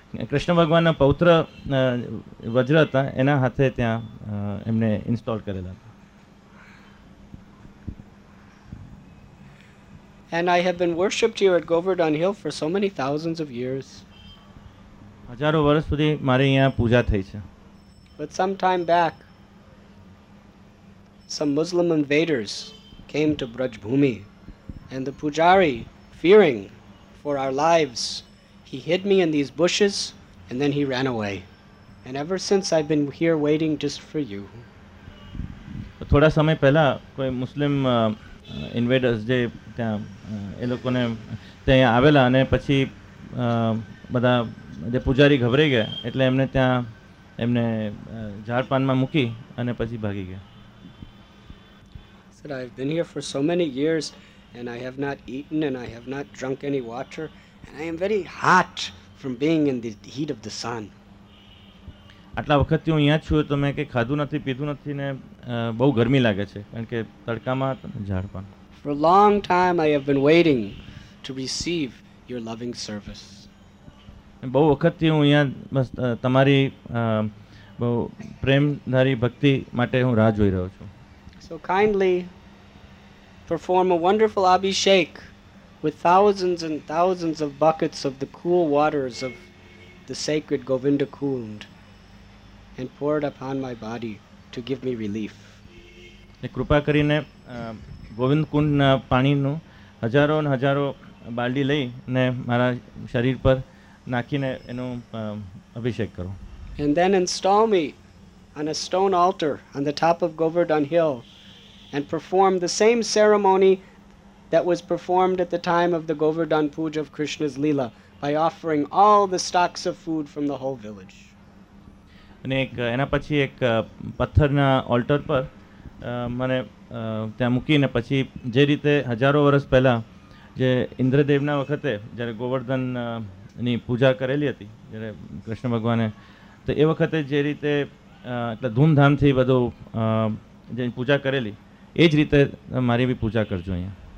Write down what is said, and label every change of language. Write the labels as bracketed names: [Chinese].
[Gujarati] કૃષ્ણ ભગવાનના પૌત્ર વજ્ર હતા એના હાથે ત્યાં એમને ઇન્સ્ટોલ કરેલા હતા. [English] And I have been worshipped here at Govardhan Hill for so many thousands of years. [Gujarati] હજારો વર્ષ સુધી મારે અહીંયા પૂજા થઈ છે. [English] But some time back some Muslim invaders came to Brajbhumi and the pujari fearing for our lives he hid me in these bushes and then he ran away and ever since I've been here waiting just for you. [Gujarati] થોડા સમય પહેલા કોઈ મુસ્લિમ ઇન્વેડર્સ જે ત્યાં એ લોકોને ત્યાં આવેલા અને પછી બધા જે પૂજારી ગભરાઈ ગયા એટલે એમને ત્યાં એમને ઝાડપાનમાં મૂકી અને પછી ભાગી ગયા. [English] Sir, I've been here for so many years and I have not eaten and I have not drunk any water. And I am very hot from being in the heat of the sun. [Gujarati] આટલો વખત હું અહીંયા છું તો મેં કે ખાધું નથી પીધું નથી ને બહુ ગરમી લાગે છે કારણ કે તડકામાં ઝાડપાન. [English] For a long time I have been waiting to receive your loving service. [Gujarati] બહુ વખતથી હું અહીંયા તમારી બહુ પ્રેમધારી ભક્તિ માટે હું રાહ જોઈ રહ્યો છું. [English] So kindly perform a wonderful abhishek with thousands and thousands of buckets of the cool waters of the sacred Govinda Kund and pour it upon my body to give me relief. [Gujarati] ને કૃપા કરીને ગોવિંદ કુંડના પાણીનું હજારો ને હજારો બાલડી લઈને મારા શરીર પર નાખીને એનો અભિષેક કરો. [English] And then install me on a stone altar on the top of Govardhan Hill and perform the same ceremony that was performed at the time of the Govardhan Puja of Krishna's Leela by offering all the stocks of food from the whole village. [Gujarati] અને એના પછી એક પથ્થરના alter પર મને ત્યાં મૂકીને પછી જે રીતે હજારો વર્ષ પહેલા જે ઇન્દ્રદેવના વખતે જ્યારે ગોવર્ધનની પૂજા કરેલી હતી જ્યારે કૃષ્ણ ભગવાને તો એ વખતે જે રીતે એટલે ધૂમધામથી બધું જે પૂજા કરેલી એ જ રીતે મારી બી પૂજા કરજો અહીંયા.